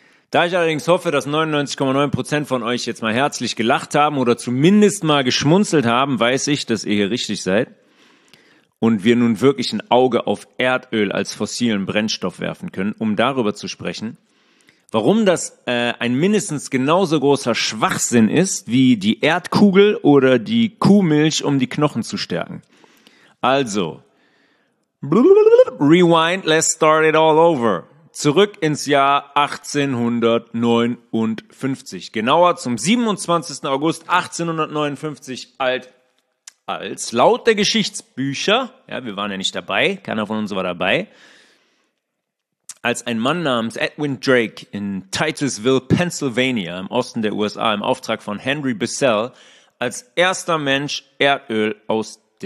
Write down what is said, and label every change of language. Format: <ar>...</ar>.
<de>Da ich allerdings hoffe, dass 99,9% von euch jetzt mal herzlich gelacht haben oder zumindest mal geschmunzelt haben, weiß ich, dass ihr hier richtig seid und wir nun wirklich ein Auge auf Erdöl als fossilen Brennstoff werfen können, um darüber zu sprechen, warum das ein mindestens genauso großer Schwachsinn ist wie die Erdkugel oder die Kuhmilch, um die Knochen zu stärken.</de> <en>Also, rewind, let's start it all over.</en> <de>Zurück ins Jahr 1859, genauer zum 27. August 1859, als laut der Geschichtsbücher, ja, wir waren ja nicht dabei, keiner von uns war dabei, als ein Mann namens Edwin Drake in Titusville, Pennsylvania, im Osten der USA, im Auftrag von Henry Bissell, als erster Mensch Erdöl aus</de>